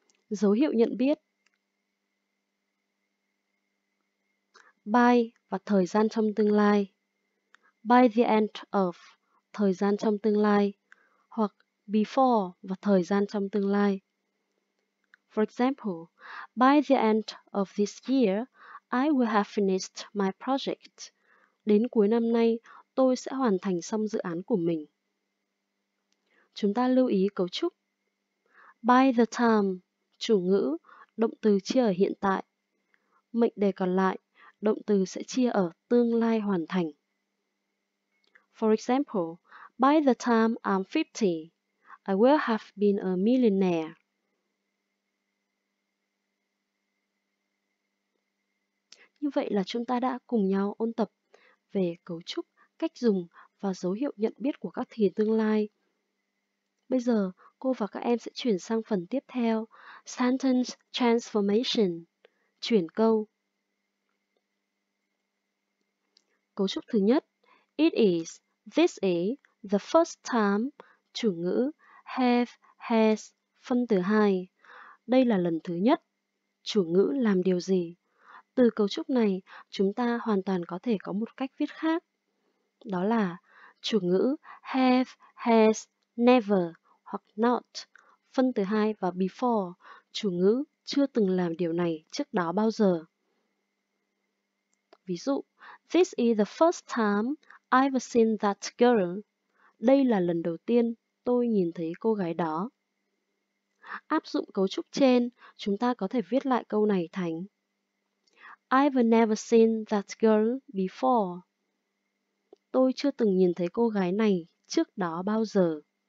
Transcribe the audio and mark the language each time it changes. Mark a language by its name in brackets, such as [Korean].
[Vietnamese] Dấu hiệu nhận biết. [English] By [Vietnamese] và thời gian trong tương lai. [English] By the end of, [Vietnamese] thời gian trong tương lai. Hoặc [English] before [Vietnamese] và thời gian trong tương lai. [English] For example, by the end of this year, I will have finished my project. [Vietnamese] Đến cuối năm nay, tôi sẽ hoàn thành xong dự án của mình. Chúng ta lưu ý cấu trúc. [English] By the time, [Vietnamese] chủ ngữ, động từ chia ở hiện tại. Mệnh đề còn lại, động từ sẽ chia ở tương lai hoàn thành. [English] For example, by the time I'm 50, I will have been a millionaire. [Vietnamese] Như vậy là chúng ta đã cùng nhau ôn tập về cấu trúc, cách dùng và dấu hiệu nhận biết của các thì tương lai. Bây giờ, cô và các em sẽ chuyển sang phần tiếp theo, [English] sentence transformation, [Vietnamese] chuyển câu. Cấu trúc thứ nhất, [English] it is, this is, the first time, [Vietnamese] chủ ngữ, [English] have, has, [Vietnamese] phân từ hai. Đây là lần thứ nhất, chủ ngữ làm điều gì? Từ cấu trúc này, chúng ta hoàn toàn có thể có một cách viết khác. Đó là chủ ngữ [English] have, has, never [Vietnamese] hoặc [English] not, [Vietnamese] phân từ hai và [English] before, [Vietnamese] chủ ngữ chưa từng làm điều này trước đó bao giờ. Ví dụ, [English] this is the first time I've seen that girl. [Vietnamese] Đây là lần đầu tiên tôi nhìn thấy cô gái đó. Áp dụng cấu trúc trên, chúng ta có thể viết lại câu này thành [English] I've never seen that girl before. [Vietnamese] Tôi chưa từng nhìn thấy cô gái này trước đó bao giờ.